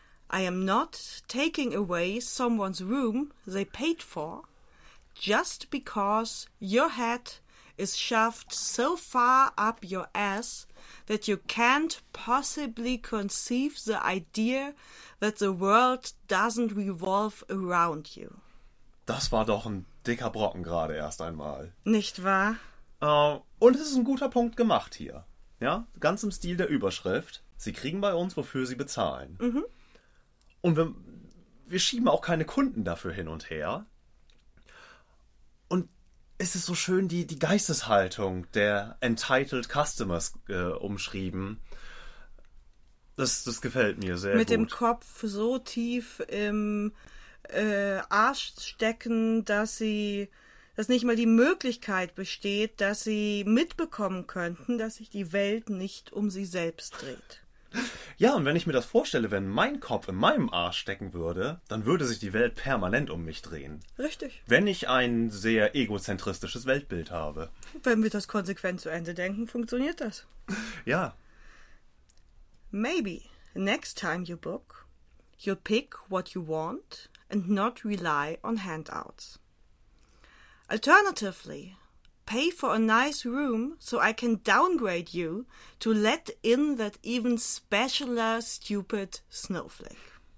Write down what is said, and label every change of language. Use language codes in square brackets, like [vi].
[en] I am not taking away someone's room they paid for just because your head is shoved so far up your ass that you can't possibly conceive the idea that the world doesn't revolve around you. [de] Das war doch ein dicker Brocken gerade erst einmal. Nicht wahr? Und es ist ein guter Punkt gemacht hier. Ja, ganz im Stil der Überschrift. Sie kriegen bei uns, wofür sie bezahlen. Mhm. Und wir schieben auch keine Kunden dafür hin und her. Und es ist so schön, die Geisteshaltung der Entitled Customers umschrieben. Das gefällt mir sehr mit gut. Mit dem Kopf so tief im Arsch stecken, dass nicht mal die Möglichkeit besteht, dass sie mitbekommen könnten, dass sich die Welt nicht um sie selbst dreht. Ja, und wenn ich mir das vorstelle, wenn mein Kopf in meinem Arsch stecken würde, dann würde sich die Welt permanent um mich drehen. Richtig. Wenn ich ein sehr egozentristisches Weltbild habe. Wenn wir das konsequent zu Ende denken, funktioniert das. Ja. [en] Maybe next time you book, you'll pick what you want and not rely on handouts. Alternatively, pay for a nice room so I can downgrade you to let in that even specialer stupid snowflake.